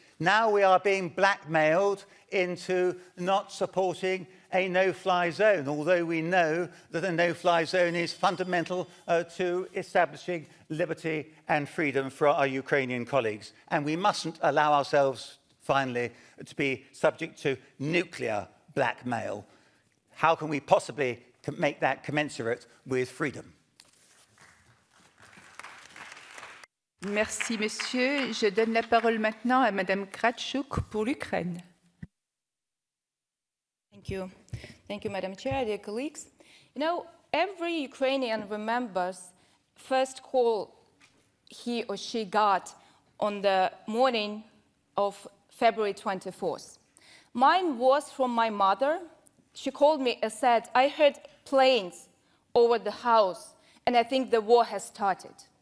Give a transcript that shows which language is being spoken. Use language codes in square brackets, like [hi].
[en] Now we are being blackmailed into not supporting a no-fly zone, although we know that a no-fly zone is fundamental to establishing liberty and freedom for our Ukrainian colleagues. And we mustn't allow ourselves, finally, to be subject to nuclear blackmail. How can we possibly make that commensurate with freedom? [fr] Merci, monsieur. Je donne la parole maintenant à Madame Kratchuk pour l'Ukraine. [en] Thank you, Madam Chair, dear colleagues. You know, every Ukrainian remembers first call he or she got on the morning of February 24th. Mine was from my mother. She called me and said, I heard planes over the house and I think the war has started.